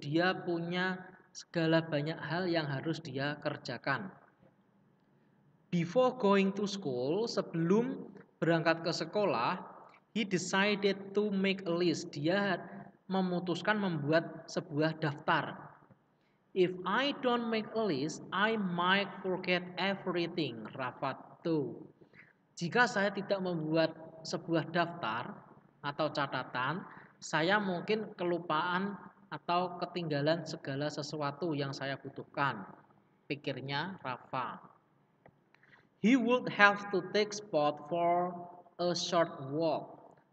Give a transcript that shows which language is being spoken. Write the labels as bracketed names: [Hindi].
[Indonesian] Dia punya segala banyak hal yang harus dia kerjakan. [English] Before going to school, [Indonesian] sebelum berangkat ke sekolah, [English] he decided to make a list. [Indonesian] Dia memutuskan membuat sebuah daftar. [English] If I don't make a list, I might forget everything. [Indonesian] Rapat tuh. Jika saya tidak membuat sebuah daftar atau catatan, saya mungkin kelupaan atau ketinggalan segala sesuatu yang saya butuhkan. Pikirnya Rafa. [English] He would have to take Spot for a short walk.